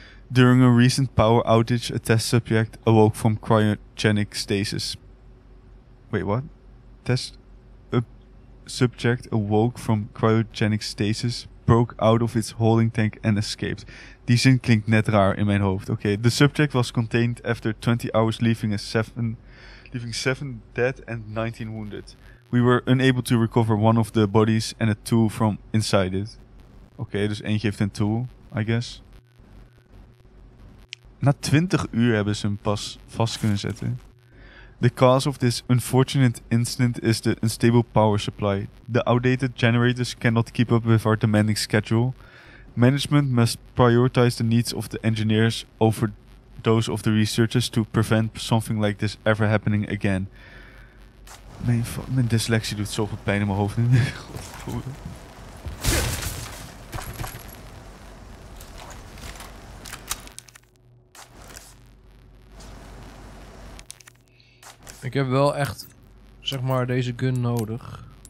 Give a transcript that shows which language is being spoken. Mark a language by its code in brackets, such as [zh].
[en] During a recent power outage, a test subject awoke from cryogenic stasis. Wait, what? Subject awoke from cryogenic stasis, broke out of its holding tank and escaped. [nl] Die zin klinkt net raar in mijn hoofd. [en] Oké, okay. The subject was contained after 20 hours leaving seven dead and 19 wounded. We were unable to recover one of the bodies and a tool from inside it. [nl] Oké, okay, dus eentje heeft een tool, [en] I guess. [nl] Na 20 uur hebben ze hem pas vast kunnen zetten. [en] The cause of this unfortunate incident is the unstable power supply. The outdated generators cannot keep up with our demanding schedule. Management must prioritize the needs of the engineers over those of the researchers to prevent something like this ever happening again. [nl] Mijn dyslexie doet zoveel pijn in mijn hoofd. Godverdomme. Ik heb wel echt, zeg maar, deze gun nodig.